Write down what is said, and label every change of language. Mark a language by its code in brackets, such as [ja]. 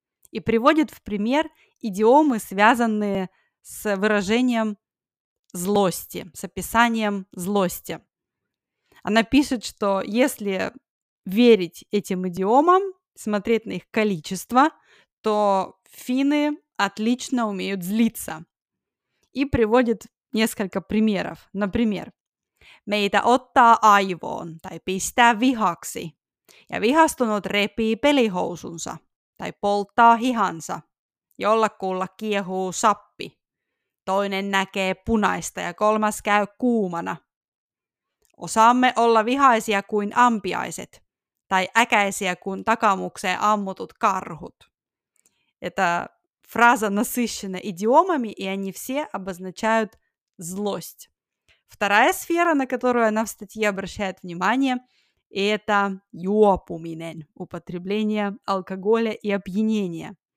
[ru] И приводит в пример идиомы, связанные с выражением злости, с описанием злости. Она пишет, что если верить этим идиомам, смотреть на их количество, то финны отлично умеют злиться. И приводит несколько примеров. [fi] Например, «Meitä ottaa aivoon tai pistää vihaksi, ja vihastunut repii pelihousunsa tai polttaa hihansa, jollakulla kiehuu sappi. Toinen näkee punaista ja kolmas käy kuumana. Osaamme olla vihaisia kuin ampiaiset, tai äkäisiä kuin takamukseen ammutut karhut». [ru] Эта фраза насыщена идиомами, и они все обозначают злость. Вторая сфера, на которую она в статье обращает внимание, это juopuminen, употребление алкоголя и опьянения.